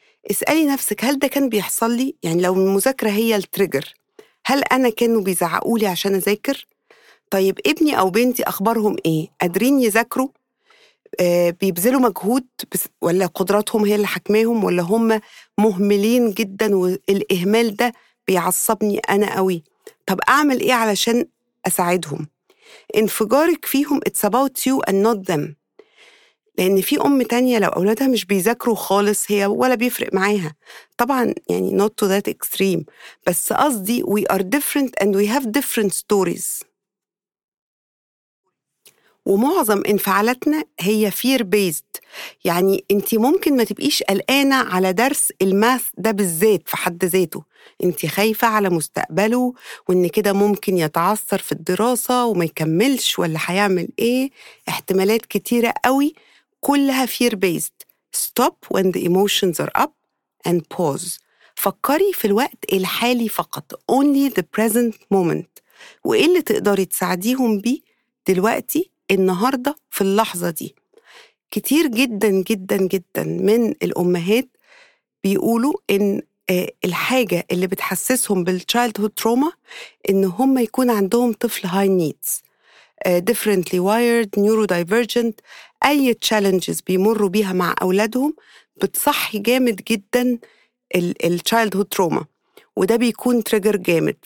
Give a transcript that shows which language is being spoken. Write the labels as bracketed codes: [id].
[ar] اسألي نفسك هل ده كان بيحصل لي؟ يعني لو المذاكرة هي التريجر، هل أنا كانوا بيزعقولي عشان أذاكر؟ طيب ابني أو بنتي أخبارهم إيه؟ قادرين يذاكروا؟ بيبذلوا مجهود ولا قدراتهم هي اللي حكماهم، ولا هم مهملين جدا والإهمال ده بيعصبني أنا قوي؟ طب أعمل إيه علشان أساعدهم؟ انفجارك فيهم [en] it's about you and not them. [ar] لأن في أم تانية لو أولادها مش بيذاكروا خالص هي ولا بيفرق معاها. طبعا يعني [en] not to that extreme، [ar] بس قصدي [en] we are different and we have different stories، [ar] ومعظم انفعالاتنا هي [en] fear based. [ar] يعني أنت ممكن ما تبقيش قلقانة على درس الماث ده بالذات في حد ذاته، أنت خايفة على مستقبله وإن كده ممكن يتعثر في الدراسة وما يكملش ولا هيعمل إيه، احتمالات كتيرة قوي كلها [en] fear based. Stop when the emotions are up and pause. [ar] فكري في الوقت الحالي فقط، [en] only the present moment، [ar] وإيه اللي تقدري تساعديهم بيه دلوقتي النهاردة في اللحظة دي. كتير جدا جدا جدا من الأمهات بيقولوا إن الحاجة اللي بتحسسهم بال [en] childhood trauma [ar] إن هم يكون عندهم طفل [en] high needs، differently wired، [ar] neurodivergent، أي challenges بيمروا بيها مع أولادهم بتصحي جامد جدا الchildhood trauma، وده بيكون trigger جامد.